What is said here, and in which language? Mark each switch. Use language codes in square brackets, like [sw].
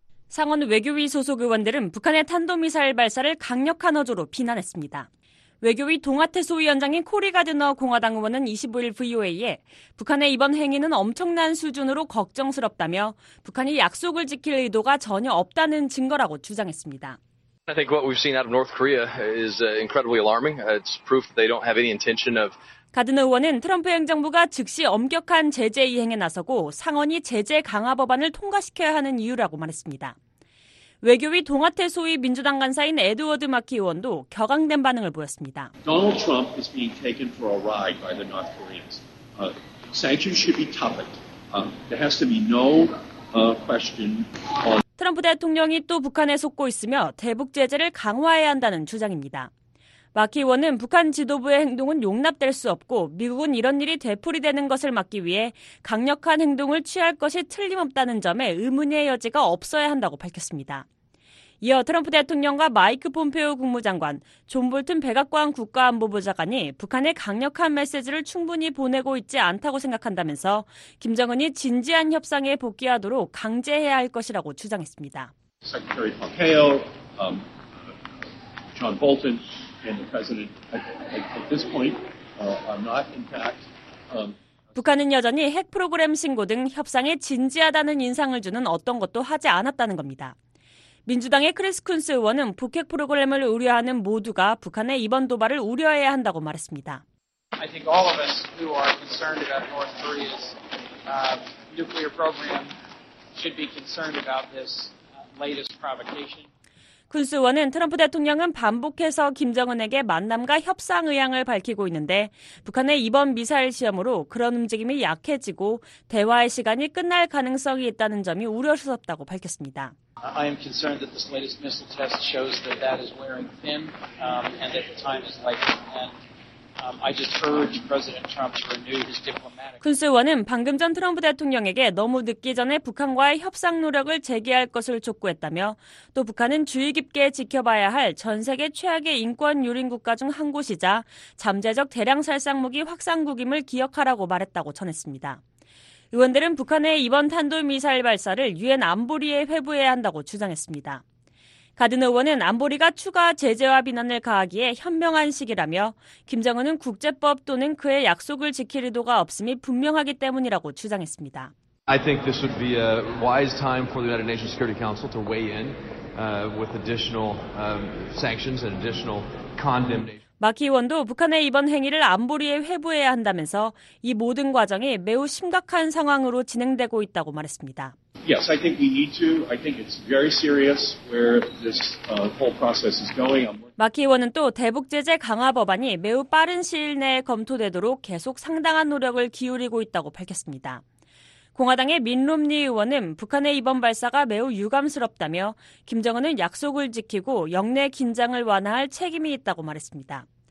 [ko] 상원 외교위 소속 의원들은 북한의 탄도미사일 발사를 강력한 어조로 비난했습니다. 외교위 동아태 소위원장인 코리 가드너 공화당 의원은 25일 VOA에 북한의 이번 행위는 엄청난 수준으로 걱정스럽다며 북한이 약속을 지킬 의도가 전혀 없다는 증거라고 주장했습니다. [en] I think what we've seen out of North Korea is incredibly alarming. It's proof they don't have any intention of. [ko] 가드너 의원은 트럼프 행정부가 즉시 엄격한 제재 이행에 나서고 상원이 제재 강화 법안을 통과시켜야 하는 이유라고 말했습니다. 외교위 동아태 소위 민주당 간사인 에드워드 마키 의원도 격앙된 반응을 보였습니다. [en] Donald Trump is being taken for a ride by the North Koreans. Sanctions should be toughened. There has to be no question on. [ko] 트럼프 대통령이 또 북한에 속고 있으며 대북 제재를 강화해야 한다는 주장입니다. 마키 의원은 북한 지도부의 행동은 용납될 수 없고 미국은 이런 일이 되풀이되는 것을 막기 위해 강력한 행동을 취할 것이 틀림없다는 점에 의문의 여지가 없어야 한다고 밝혔습니다. 이어 트럼프 대통령과 마이크 폼페오 국무장관, 존 볼튼 백악관 국가안보부 장관이 북한에 강력한 메시지를 충분히 보내고 있지 않다고 생각한다면서 김정은이 진지한 협상에 복귀하도록 강제해야 할 것이라고 주장했습니다. [en] Secretary Pompeo, John Bolton and the President, at this point, are not in fact. [ko] 북한은 여전히 핵 프로그램 신고 등 협상에 진지하다는 인상을 주는 어떤 것도 하지 않았다는 겁니다. 민주당의 크리스 쿤스 의원은 북핵 프로그램을 우려하는 모두가 북한의 이번 도발을 우려해야 한다고 말했습니다. [en] I think all of us who are concerned about North Korea's nuclear program should be concerned about this latest provocation. [ko] 쿤스 의원은 트럼프 대통령은 반복해서 김정은에게 만남과 협상 의향을 밝히고 있는데 북한의 이번 미사일 시험으로 그런 움직임이 약해지고 대화의 시간이 끝날 가능성이 있다는 점이 우려스럽다고 밝혔습니다. [en] I am concerned that this latest missile test shows that that is wearing thin and that the time is like end. I just urge President Trump to renew his diplomatic. [ko] 쿤스 의원은 방금 전 트럼프 대통령에게 너무 늦기 전에 북한과의 협상 노력을 재개할 것을 촉구했다며 또 북한은 주의 깊게 지켜봐야 할 전 세계 최악의 인권 유린 국가 중 한 곳이자 잠재적 대량 살상무기 확산국임을 기억하라고 말했다고 전했습니다. 의원들은 북한의 이번 탄도미사일 발사를 유엔 안보리에 회부해야 한다고 주장했습니다. 가든 의원은 안보리가 추가 제재와 비난을 가하기에 현명한 시기라며 김정은은 국제법 또는 그의 약속을 지킬 의도가 없음이 분명하기 때문이라고 주장했습니다. [en] I think this would be a wise time for the United Nations Security Council to weigh in with additional sanctions and additional condemnation. [ko] 막 의원도 북한의 이번 행위를 안보리에 회부해야 한다면서 이 모든 과정이 매우 심각한 상황으로 진행되고 있다고 말했습니다. [en] Yes, I think we need to. I think it's very serious where this whole process is going. [ko] 막 의원은 또 대북 제재 강화 법안이 매우 빠른 시일 내에 검토되도록 계속 상당한 노력을 기울이고 있다고 밝혔습니다. 공화당의 민 롬니 의원은 북한의 이번 발사가 매우 유감스럽다며 김정은은 약속을 지키고 역내 긴장을 완화할 책임이 있다고 말했습니다.